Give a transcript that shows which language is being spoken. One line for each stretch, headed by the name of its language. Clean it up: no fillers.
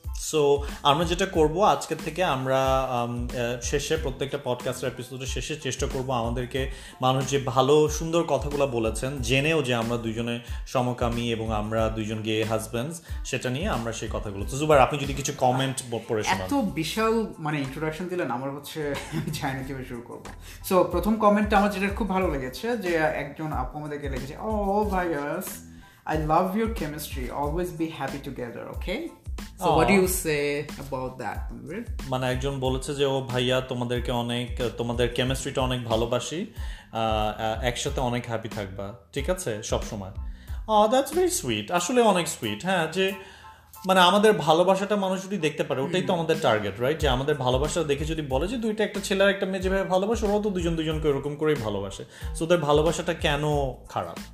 Bangla: So আমরা যেটা করবো আজকে থেকে, আমরা শেষে প্রত্যেকটা পডকাস্টের এপিসোডের শেষে চেষ্টা করবো আমাদেরকে মানুষ যে ভালো সুন্দর কথাগুলো বলেছেন জেনেও যে আমরা দুজনে সমকামী এবং আমরা দুজন গে হাজব্যান্ডস, সেটা নিয়ে আমরা সেই কথাগুলো। তো জুবার, আপনি যদি কিছু কমেন্ট পড়ে শোনান। এত বিশাল মানে ইন্ট্রোডাকশন দিলেন, আমার হচ্ছে চাই না কিভাবে শুরু করবো। সো প্রথম কমেন্টটা আমার যেটা খুব ভালো লেগেছে যে একজন আপু আমাদেরকে লিখেছে, ও ভাই guys,
English: I love your chemistry, always be happy together,
Bangla: okay.
English: So what do you say about that?
Bangla: মানে একজন বলেছে যে ও ভাইয়া, তোমাদেরকে অনেক, তোমাদের কেমিস্ট্রিটা অনেক ভালোবাসি, একসাথে অনেক হ্যাপি থাকবা, ঠিক আছে সব সময়।
English: that's very sweet,
Bangla: আসলে অনেক সুইট। হ্যাঁ, যে মানে আমাদের ভালোবাসাটা মানুষ যদি দেখতে পারে, ওটাই তো আমাদের টার্গেট, রাইট? যে আমাদের ভালোবাসাটা দেখে যদি বলে যে দুইটা, একটা ছেলে আর একটা মেয়ে যেভাবে ভালোবাসে, ওরাও তো দুজন দুজনকে এরকম করেই ভালোবাসে, সো ওদের ভালোবাসাটা কেন খারাপ?